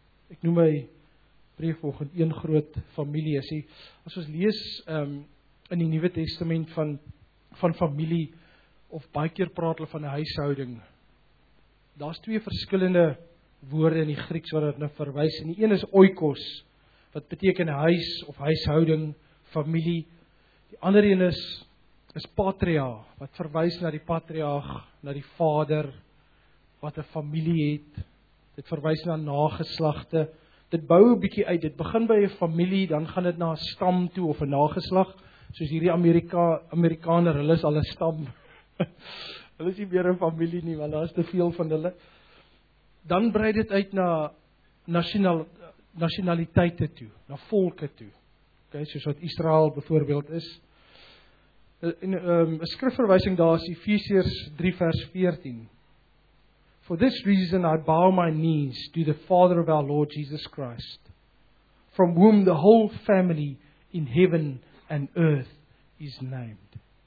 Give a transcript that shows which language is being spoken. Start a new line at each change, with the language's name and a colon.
Afrikaans: Ek noem my preek volgens een groot familie. Sê, as ons lees in die Nuwe Testament van familie, of baie keer praat hulle van 'n huishouding, daar's twee verskillende woorde in die Grieks wat dit nou verwys. En die een is oikos, wat beteken huis of huishouding, familie. Die ander een is patria, wat verwys na die patriarg, na die vader, wat 'n familie het. Dit verwys na nageslagte. Dit bou 'n bietjie uit. Dit begin by 'n familie, dan gaan dit na 'n stam toe of 'n nageslag. Soos hierdie Amerikaner, hulle is al 'n stam. Hulle is nie meer 'n familie nie, want daar is te veel van hulle. Dan brei dit uit na nasionaliteite toe, na volke toe. Okay, soos wat Israel byvoorbeeld is. En 'n skrifverwysing daar is Efesiërs 3 vers 14.
English: For this reason I bow my knees to the Father of our Lord Jesus Christ, from whom the whole family in heaven and earth is named.